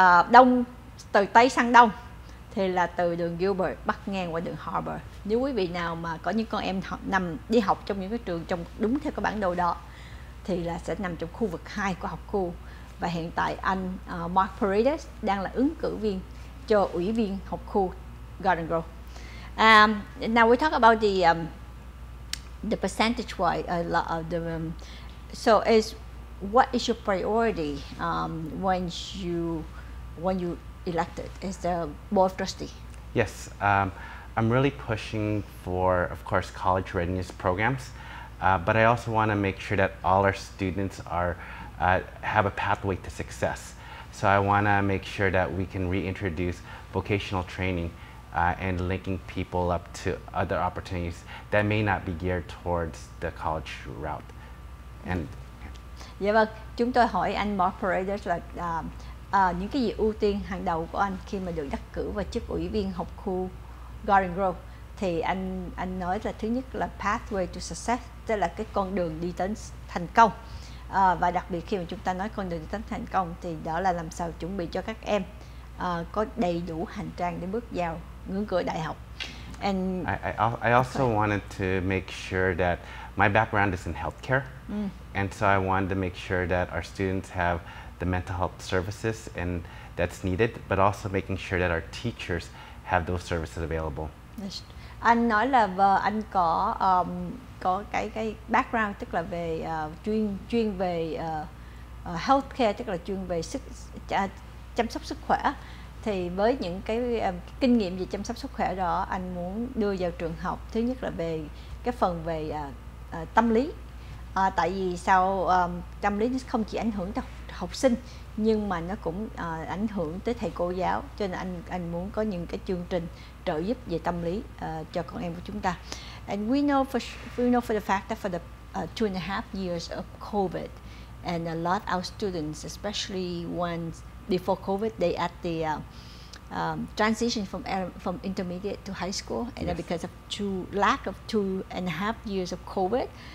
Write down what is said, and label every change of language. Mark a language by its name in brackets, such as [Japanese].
[Vietnamese] Đông, từ Tây sang Đông thì là từ đường Gilbert bắc ngang qua đường Harbor. Nếu quý vị nào mà có những con em nằm đi học trong những cái trường trong đúng theo cái bản đồ đó thì là sẽ nằm trong khu vực 2 của học khu. Và hiện tại anh Mark Paredes đang là ứng cử viên cho ủy viên học khu Garden Grove. [English] Now we talk about the percentage wise a lot of the so is what is your priority when you elected as the board of trustee? Yes, I'm really pushing for, of course, college readiness programs, but I also want to make sure that all our students are have a pathway to success. So I want to make sure that we can reintroduce vocational training and linking people up to other opportunities that may not be geared towards the college route. And [Vietnamese] yeah, vâng, chúng tôi hỏi anh Mark Paredes là những cái gì ưu tiên hàng đầu của anh khi mà được đắc cử vào chức ủy viên học khu Garden Grove. Thì anh nói là thứ nhất là [English] pathway to success, [Vietnamese] tức là cái con đường đi đến thành công. Và đặc biệt khi mà chúng ta nói con đường đi đến thành công thì đó là làm sao chuẩn bị cho các em có đầy đủ hành trang để bước vào ngưỡng cửa đại học. [English] And I also okay. wanted to make sure that my background is in healthcare. And so I wanted to make sure that our students have the mental health services and that's needed, but also making sure that our teachers have those services available. Yes. [Vietnamese] Anh nói là anh có cái background, tức là về chuyên về healthcare, tức là chuyên về sức chăm sóc sức khỏe. Thì với những cái kinh nghiệm về chăm sóc sức khỏe đó, anh muốn đưa vào trường học, thứ nhất là về cái phần về tâm lý. Tại vì sao tâm lý không chỉ ảnh hưởng tới học sinh nhưng mà nó cũng ảnh hưởng tới thầy cô giáo, cho nên anh muốn có những cái chương trình trợ giúp về tâm lý cho con em của chúng ta. [English] And we know for the fact that for the 2.5 years of COVID, and a lot of our students, especially ones before COVID, they at the transition from intermediate to high school, and yes. because of lack of 2.5 years of COVID.